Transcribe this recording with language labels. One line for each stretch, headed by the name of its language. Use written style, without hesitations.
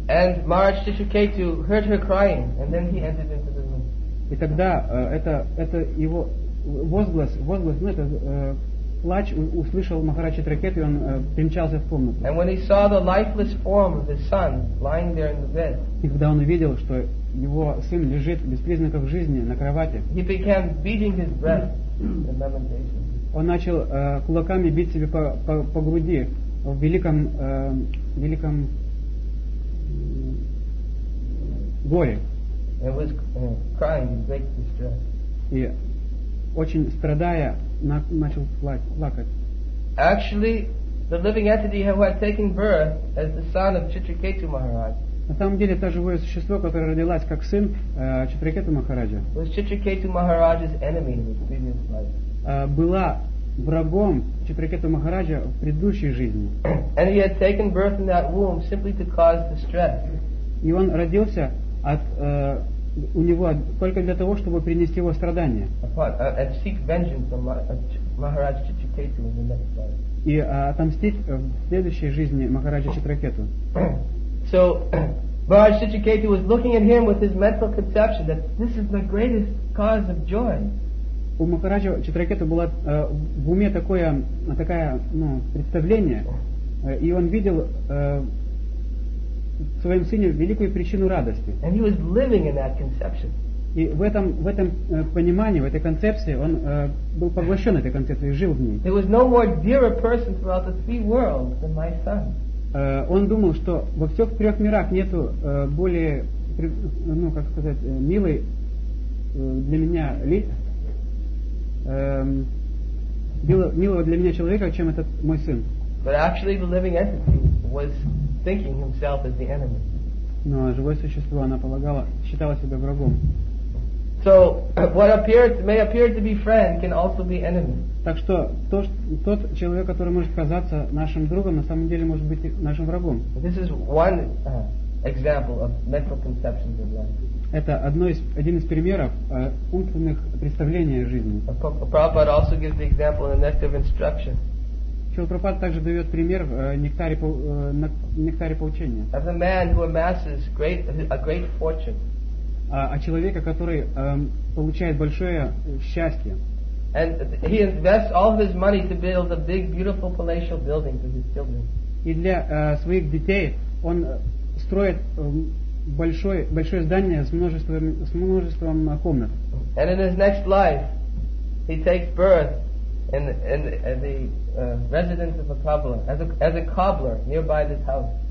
English: And Maharaj Shishiketu heard her crying, and then he entered into the room.
Russian: И тогда это его возглас, ну это плач услышал Махараджа Читракету, и он примчался в комнату.
English: And when he saw the lifeless form of his son lying there in the bed.
Russian: И когда он увидел, что его сын лежит без признаков жизни на кровати.
English: He began beating his breast in lamentation.
Russian: Он начал кулаками бить себе по груди. В великом великом горе.
English: It was crying in great distress.
Russian: И очень страдая, начал плакать.
English: Actually, the living entity who had taken birth as the son of Chitraketu Maharaj.
Russian: На самом деле, это живое существо, которое родилось как сын Читракету Махараджа.
English: Was Chitraketu Maharaj's enemy in his previous life.
Russian: Была врагом Читракету Махараджа в предыдущей жизни.
English: And he had taken birth in that womb simply to cause distress.
Russian: И он родился от у него только для того, чтобы принести его страдания.
English: And seek vengeance on Maharaj Chitraketu in the next life.
Russian: И отомстить в следующей жизни Махараджа Читракету.
English: So Maharaj Chitraketu was looking at him with his mental conception that this is the greatest cause of joy.
Russian: У Махараджа Читракету было в уме такое ну, представление, и он видел в своем сыне великую причину радости.
English: And he was living in that conception.
Russian: И в этом понимании, в этой концепции, он был поглощен этой концепцией, жил в ней.
English: There was no more dearer person throughout the three worlds than my son.
Russian: Он думал, что во всех трех мирах нету более, ну, как сказать, милой для меня личности. Милого для меня человека, чем этот мой сын.
English: But actually the living entity was thinking himself as the enemy.
Russian: Но живое существо, она полагала, считала себя врагом.
English: So what may appear to be friend can also be enemy.
Russian: Так что тот человек, который может казаться нашим другом, на самом деле может быть нашим врагом.
English: This is one example of mental conceptions of life.
Russian: Это один из примеров умственных представлений о жизни.
English: Prabhupada also gives the example in the Nectar of Instruction.
Russian: Шрила Прабхупада также дает пример в нектаре поучения.
English: Of the man who amasses a great fortune.
Russian: О человеке, который получает большое счастье.
English: And he invests all of his money to build a big, beautiful palatial building for his children.
Russian: и для своих детей он строит большое здание с множеством комнат.
English: And in his next life, he takes birth in the residence of a cobbler, as a cobbler nearby this house.